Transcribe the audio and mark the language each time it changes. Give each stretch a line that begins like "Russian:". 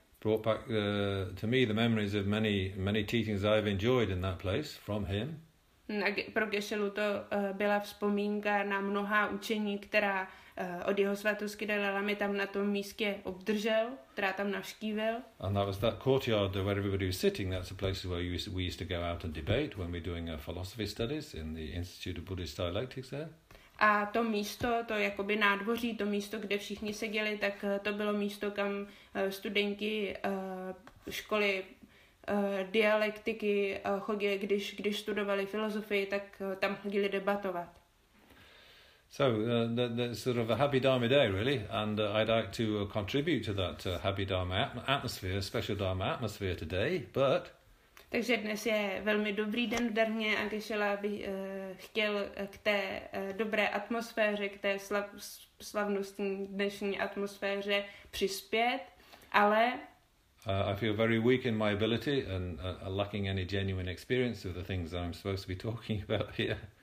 English: Brought back to me the memories of many, many teachings I've enjoyed in that place from him.
Czech: Pro Geshe-lu to byla vzpomínka na mnohá učení, která od jeho svatosti Dalai Lamy tam na tom místě obdržel, která tam navštívil.
English: And that was that courtyard where everybody was sitting. That's the place where we used to go out and debate when we're doing our philosophy studies in the Institute of Buddhist Dialectics there.
Czech: A to místo, to jakoby nádvoří, to místo, kde všichni seděli, tak to bylo místo, kam studenti školy dialektiky chodili, když studovali filozofii, tak tam chodili debatovat.
English: So that's sort of a happy Dharma day, really, and I'd like to contribute to that happy Dharma atmosphere, special Dharma atmosphere today. But
Czech: Takže dnes je velmi dobrý den v Darmě a Kešela by chtěl k té dobré atmosféře, k té slavnostní dnešní atmosféře přispět, ale...
English: I feel very weak in my ability and lacking any genuine experience of the things that I'm supposed to be talking about here.